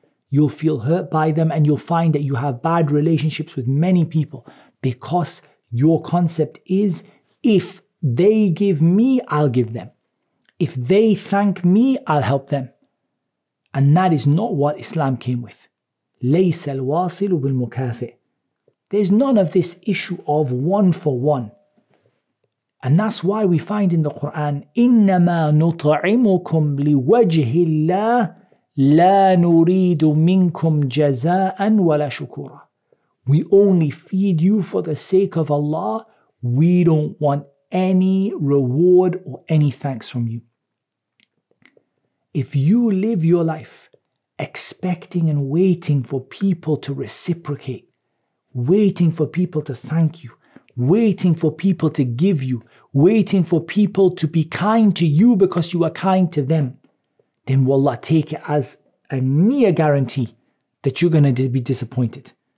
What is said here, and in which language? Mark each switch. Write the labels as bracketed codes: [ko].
[en] You'll feel hurt by them, and you'll find that you have bad relationships with many people because your concept is, if they give me, I'll give them. If they thank me, I'll help them. And that is not what Islam came with. [ar] لَيْسَ الْوَاصِلُ بِالْمُكَافِئِ. [en] There's none of this issue of one for one. And that's why we find in the Qur'an, [ar] إِنَّمَا نُطَعِمُكُمْ لِوَجْهِ اللَّهِ لَا نُرِيدُ مِنْكُمْ جَزَاءً وَلَا شُكُورًا. [en] We only feed you for the sake of Allah. We don't want any reward or any thanks from you. If you live your life expecting and waiting for people to reciprocate, waiting for people to thank you, waiting for people to give you, waiting for people to be kind to you because you are kind to them, then wallah, take it as a near guarantee that you're going to be disappointed.